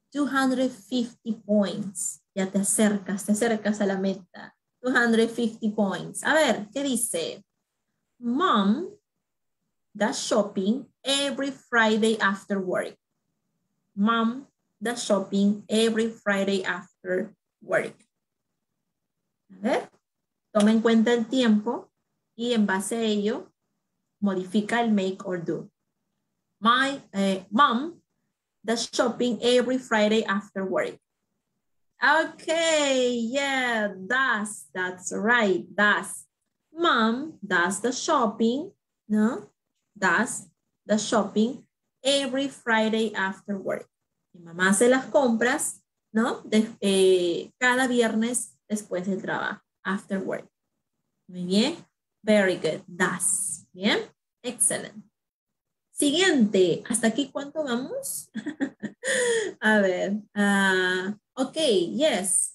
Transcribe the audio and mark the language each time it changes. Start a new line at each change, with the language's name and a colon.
Spanish: 250 points. Ya te acercas a la meta. 250 points. A ver, ¿qué dice?
English: Mom does shopping every Friday after work. Mom does shopping every Friday after work.
Spanish: A ver, toma en cuenta el tiempo y en base a ello, modifica el make or do.
English: Mom the shopping every Friday after work. Okay, yeah, that's right, that's. Mom does the shopping ¿no? Does the shopping every Friday after work.
Spanish: Mi mamá hace las compras, ¿no? Cada viernes después del trabajo,
English: after work.
Spanish: Muy bien.
English: Very good.
Spanish: Does. Bien.
English: Excellent.
Spanish: Siguiente. ¿Hasta aquí cuánto vamos? A ver. Ok. Yes.